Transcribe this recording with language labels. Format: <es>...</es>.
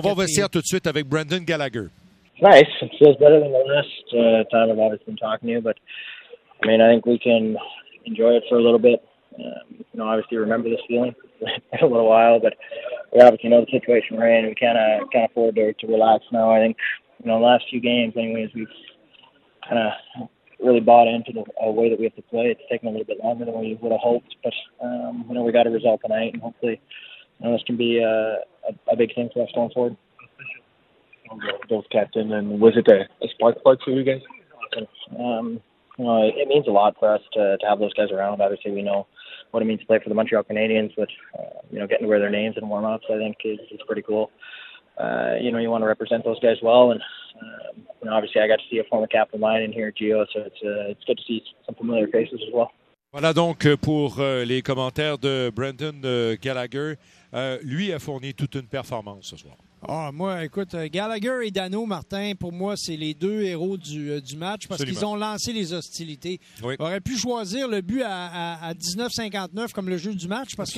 <fr>On va revenir tout de suite avec Brendan Gallagher.</fr> <en>Nice. It feels better than the last time I've obviously been talking to you, but I mean, I think we can enjoy it for a little bit. You know, obviously remember this feeling for a little while, but we obviously know the situation we're in. We can't afford to relax now. I think, you know, the last few games, anyways, we've kind of really bought into the way that we have to play. It's taken a little bit longer than we would have hoped, but, you know, we got a result tonight, and hopefully, you know, this can be a big thing for us going forward. Both captain, and was it a spark plug for you guys? You know, it means a lot for us to have those guys around. Obviously, we know what it means to play for the Montreal Canadiens, which, you know, getting to wear their names in warm-ups, I think, is pretty cool. You know, you want to represent those guys well, and you know, obviously, I got to see a former cap of mine in here at Geo, so it's good to see some familiar faces as well.</en> <fr>Voilà donc pour les commentaires de Brendan Gallagher. Lui a fourni toute une performance ce soir. Ah, moi, écoute, Gallagher et Dano, Martin, pour moi, c'est les deux héros du match parce qu'ils ont lancé les hostilités. Oui. Ils auraient pu choisir le but à 19:59 comme le jeu du match parce</fr>